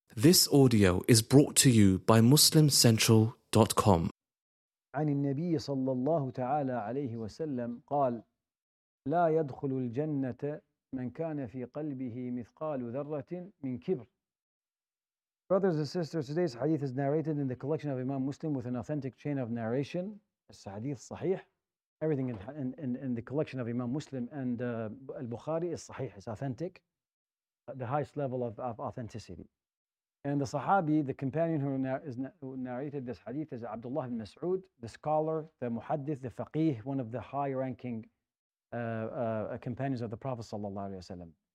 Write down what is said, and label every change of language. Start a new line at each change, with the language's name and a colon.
English: This audio is brought to you by MuslimCentral.com.
Arabic: عن النبي صلى الله تعالى عليه وسلم قال لا يدخل الجنة من كان في قلبه مثقال ذرة من كبر.
English: Brothers and sisters, today's hadith is narrated in the collection of Imam Muslim with an authentic chain of narration.
Arabic: الحديث صحيح.
English: Everything in the collection of Imam Muslim and al-Bukhari is صحيح. It's authentic. The highest level of authenticity. And the Sahabi, the companion who narrated this hadith, is Abdullah ibn Mas'ud, the scholar, the muhaddith, the faqih, one of the high-ranking companions of the Prophet sallallahu alaihi wasallam.